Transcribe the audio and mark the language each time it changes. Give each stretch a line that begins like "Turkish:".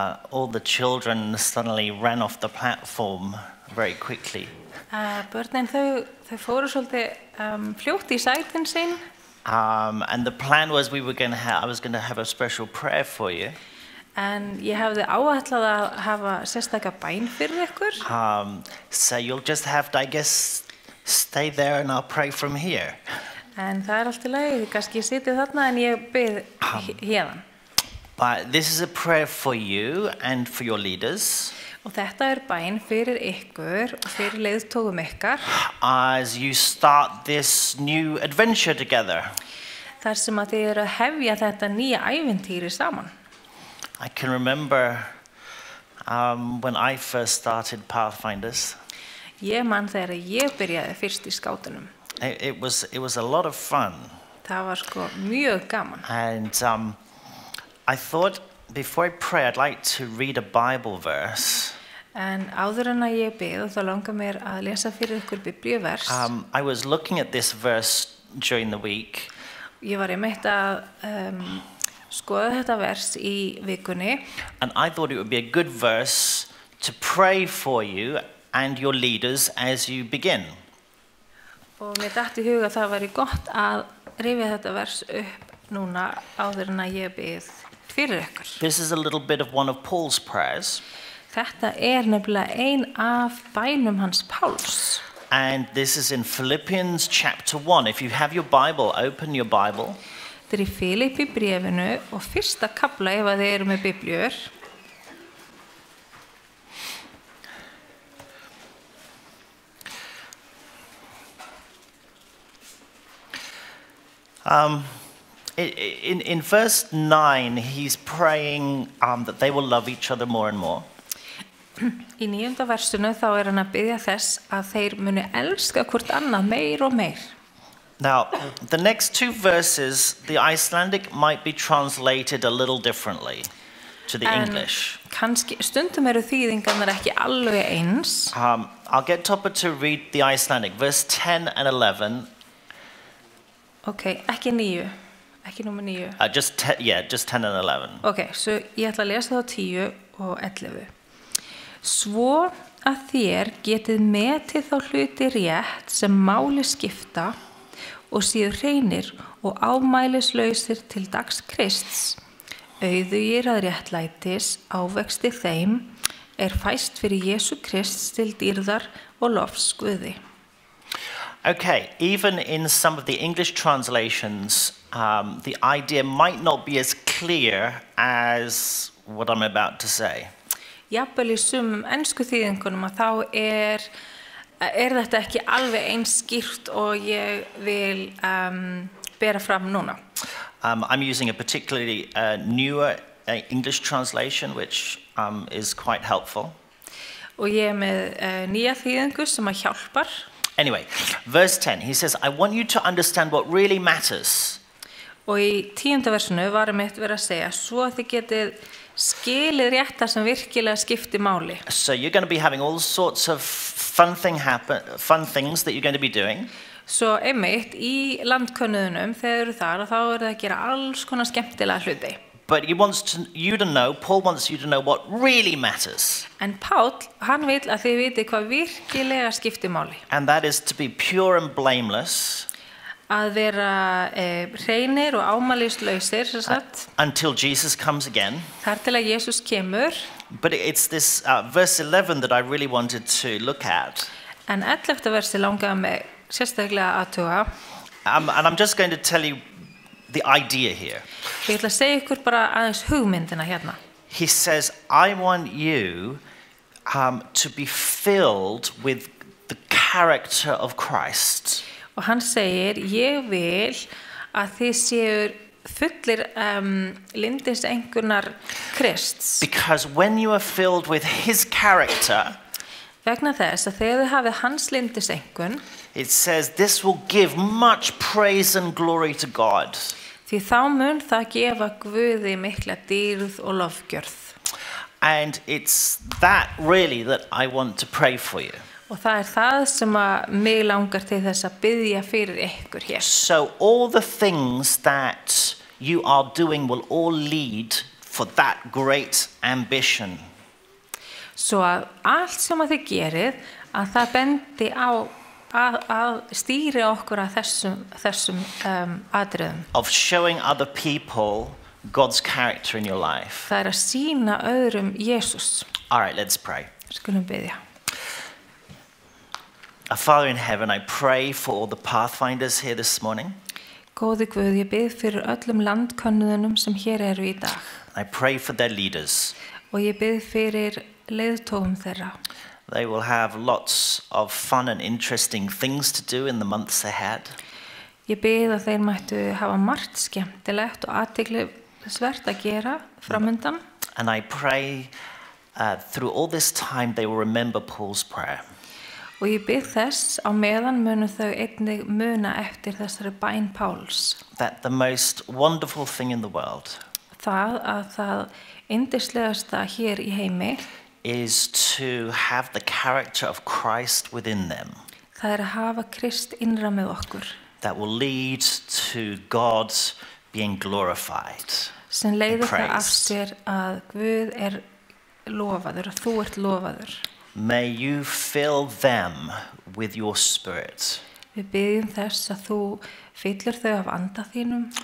English: All the children suddenly ran off the platform very quickly.
Icelandic: Börnin þau fóru svolítið fljótt í sætin sín.
English: And the plan was I was going to have a special prayer for you.
Icelandic: En ég hefði áætlað að hafa sérstaka bæn fyrir ykkur.
English: So you'll just have to, I guess, stay there and I'll pray from here.
Icelandic: En það er allt í lagi, kannski ég sitið þarna en ég byrð hérðan.
English: But this is a prayer for you and for your leaders.
Icelandic: Og þetta er bæn fyrir ykkur og fyrir leiðtogum ykkar.
English: As you start this new adventure together.
Icelandic: Þar sem að þið eru að hefja þetta nýja ævintýri saman.
English: I can remember when I first started Pathfinders.
Icelandic: Ég man þegar ég byrjaði fyrst í skátunum.
English: It was a lot of fun.
Icelandic: Það var sko mjög gaman.
English: And I thought before I pray I'd like to read a Bible verse.
Icelandic: En áður en að ég bið þá langar mér að lesa fyrir ykkur biblíuvers.
English: I was looking at this verse during the week.
Icelandic: Ég var einmitt að skoða þetta vers í vikunni.
English: And I thought it would be a good verse to pray for you and your leaders as you begin.
Icelandic: Og mér datt í hug að það væri gott að rifja þetta vers upp núna áður en að ég bið fyrir ykkur.
English: This is a little bit of one of Paul's prayers.
Icelandic: Þetta er nefnilega ein af bænum hans Páls.
English: And this is in Philippians chapter 1. If you have your Bible, open your Bible.
Icelandic: Þetta er í Filippi bréfinu og fyrsta kafla ef að þið eru með biblíur.
English: In verse 9 he's praying that they will love each other more and more.
Icelandic: Í 9. versinu þá er hann að biðja þess að þeir muni elska hvort annað meir og meir.
English: Now, the next two verses, the Icelandic might be translated a little differently to the English.
Icelandic: Kannski, stundum eru þýðingarnar ekki alveg eins.
English: I'll get Toppa to read the Icelandic, verse 10 and 11.
Icelandic: Okay, ekki níu, ekki númer níu.
English: Just 10 and 11.
Icelandic: Okay, so ég ætla að lesa þá 10 og 11. Svo að þér getið metið þá hluti rétt sem máli skipta og séu hreinir og ámælislausir til dags Krists, auðugir að réttlætis ávexti þeim, er fæst fyrir Jesu Krists til dýrðar og lofs Guði.
English: Okay, even in some of the English translations, the idea might not be as clear as what I'm about to say.
Icelandic: Jafnvel í sumum ensku þýðingunum að þá er þetta ekki alveg eins skýrt og ég vil bera fram núna.
English: I'm using a particularly newer English translation which is quite helpful.
Icelandic: Og ég með nýja þýðingu sem að hjálpar.
English: Anyway, verse 10, he says, I want you to understand what really matters.
Icelandic: Og í 10. versinu var einmitt verið að segja, svo þið getið skilið rétta sem virkilega skipti máli.
English: So you're going to be having all sorts of fun things that you're going to be doing.
Icelandic: So einmitt í landkönnuðunum þegar eru þar þá eru það að gera alls konar skemmtilega hluti.
English: But Paul wants you to know what really matters.
Icelandic: En Páll, hann vill að þið viti hvað virkilega skipti máli.
English: And that is to be pure and blameless.
Icelandic: Að vera hreinir og ámælislausir, sem sagt.
English: Until Jesus comes again.
Icelandic: Þar til að Jesus kemur.
English: But it's this verse 11 that I really wanted to look at.
Icelandic: En 11. versi langaði mig sérstaklega að athuga.
English: And I'm just going to tell you the idea here.
Icelandic: Ég ætla að segja ykkur bara aðeins hugmyndina hérna.
English: He says, I want you to be filled with the character of Christ.
Icelandic: Og hann segir, ég vil að þið séu fullir lindis einkunnar Krists.
English: Because when you are filled with his character,
Icelandic: vegna þess að þegar þið hafið hans lindis einkun,
English: it says this will give much praise and glory to God.
Icelandic: Því þá mun það gefa Guði mikla dýrð og lofgjörð.
English: And it's that really that I want to pray for you.
Icelandic: Og það er það sem að mig langar til þess að biðja fyrir ykkur hér.
English: So all the things that you are doing will all lead for that great ambition.
Icelandic: Svo að allt sem að þið gerið, að það bendi á að stýri okkur að þessum atriðum.
English: Of showing other people God's character in your life.
Icelandic: Það að sýna öðrum Jesús.
English: All right, let's pray.
Icelandic: Skulum biðja.
English: A Father in heaven, I pray for all the pathfinders here this morning.
Icelandic: Góði Guð, ég bið fyrir öllum landkönnuðunum sem hér eru í dag.
English: I pray for their leaders.
Icelandic: Og ég bið fyrir leiðtogum þeirra.
English: They will have lots of fun and interesting things to do in the months ahead.
Icelandic: Ég bið að þeir mættu hafa margt skemmtilegt og athyglisvert að gera framundan.
English: And I pray through all this time they will remember Paul's prayer.
Icelandic: Og ég bið þess á meðan munu þau einnig muna eftir þessari bæn Páls.
English: That the most wonderful thing in the world.
Icelandic: Það að það yndislegasta hér í heimi
English: is to have the character of Christ within them.
Icelandic: Það að hafa Krist innra með okkur.
English: That will lead to God being glorified.
Icelandic: Sem leiðir það af sér að Guð er lofaður, að þú ert lofaður.
English: May you fill them with your spirit.
Icelandic: Við biðjum þess að þú fyllir þau af anda þínum.